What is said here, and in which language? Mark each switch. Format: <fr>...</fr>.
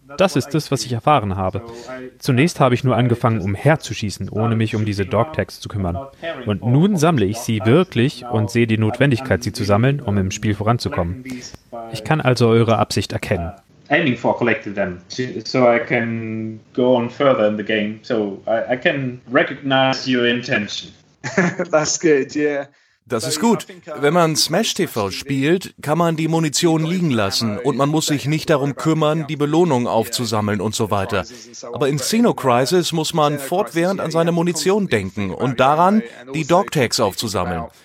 <de>Das ist es, was ich erfahren habe. Zunächst habe ich nur angefangen, umherzuschießen, ohne mich um diese Dog-Tags zu kümmern. Und nun sammle ich sie wirklich und sehe die Notwendigkeit, sie zu sammeln, um im Spiel voranzukommen. Ich kann also eure Absicht erkennen.</de> <en>Aiming for collecting them, so I can go on further in the game. So I can recognize your intention. That's good, yeah.</en> <de>Das ist gut. Wenn man Smash TV spielt, kann man die Munition liegen lassen und man muss sich nicht darum kümmern, die Belohnung aufzusammeln und so weiter. Aber in Xenocrisis muss man fortwährend an seine Munition denken und daran, die Dogtags aufzusammeln.</de>